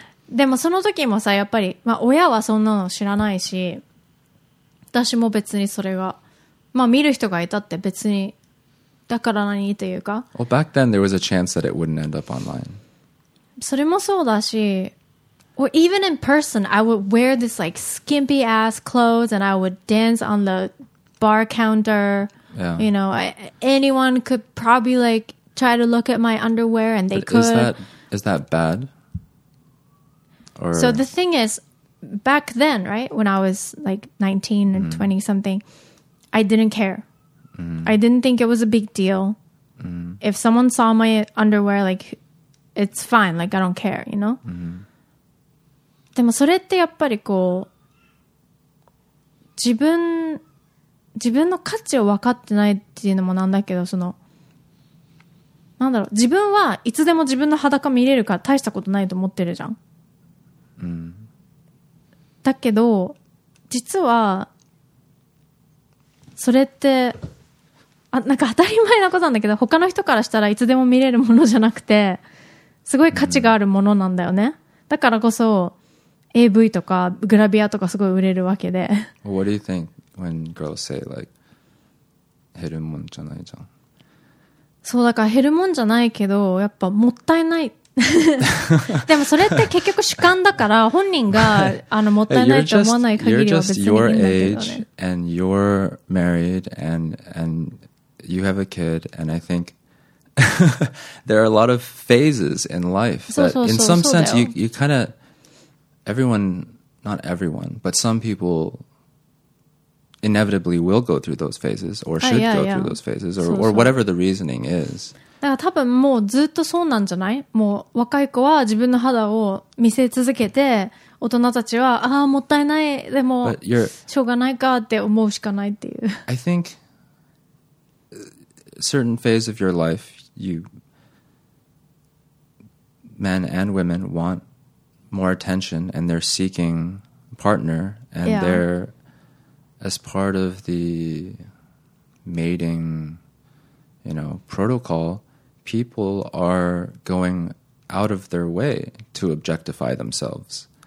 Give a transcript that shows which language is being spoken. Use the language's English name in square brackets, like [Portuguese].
[Japanese] でもその時もさ、やっぱり、まあ親はそんなの知らないし、私も別にそれが、まあ見る人がいたって別に、だから何というか。 [English] Well, back then there was a chance that it wouldn't end up online. [Japanese] それもそうだし、 [English] or even in person, I would wear this like skimpy ass clothes and I would dance on the bar counter. Yeah. You know, anyone could probably like,try to look at my underwear and they But could. Is that bad? Or... So the thing is, back then, right, when I was like 19 or 20 something, I didn't care. I didn't think it was a big deal. If someone saw my underwear, like, it's fine. Like, I don't care, you know? [Japanese] でもそれってやっぱりこう、自分自分の価値を分かってないっていうのもなんだけど、その、なんだろう、自分はいつでも自分の裸見れるから大したことないと思ってるじゃん。だけど、実は、それって、なんか当たり前なことなんだけど、他の人からしたらいつでも見れるものじゃなくて、すごい価値があるものなんだよね。だからこそ、AV とかグラビアとかすごい売れるわけで。 [English] Well, what do you think when girls say, like, [Japanese] 減るもんじゃないじゃん。そう、だから減るもんじゃないけど、やっぱもったいない。でもそれって結局主観だから、本人が、もったいないと思わない限りは別にいいんだけどね。 [English] You're just your age, and you're married, and you have a kid, and I think there are a lot of phases in life. That in some sense, you kind of, everyone, not everyone, but some people inevitably will go through those phases, or should go through those phases, or whatever the reasoning is. [Japanese] だから多分もうずっとそうなんじゃない？もう若い子は自分の肌を見せ続けて、大人たちは、ああ、もったいない、でも、しょうがないかって思うしかないっていう。 [English] I think, certain phase of your life, you, men and women want more attention and they're seeking partner and they're, as part of the mating, you know, protocol,People are going out of their way to objectify themselves.